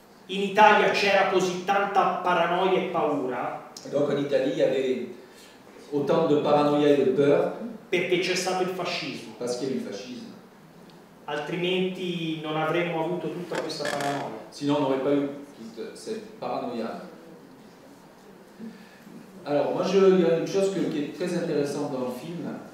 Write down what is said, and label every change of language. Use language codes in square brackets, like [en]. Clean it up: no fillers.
[it] In Italia c'era così tanta paranoia e paura. [fr] Donc en Italie, il y avait autant de paranoia [it] e di [fr] peur. [it] Perché c'è stato il fascismo. [fr] Parce qu'il y a eu le fascisme. [it] Altrimenti non avremmo avuto tutta questa paranoia. [fr] Sinon, on n'aurait pas eu toute cette paranoia. Alors, moi, il y a une chose qui est très intéressante dans le film.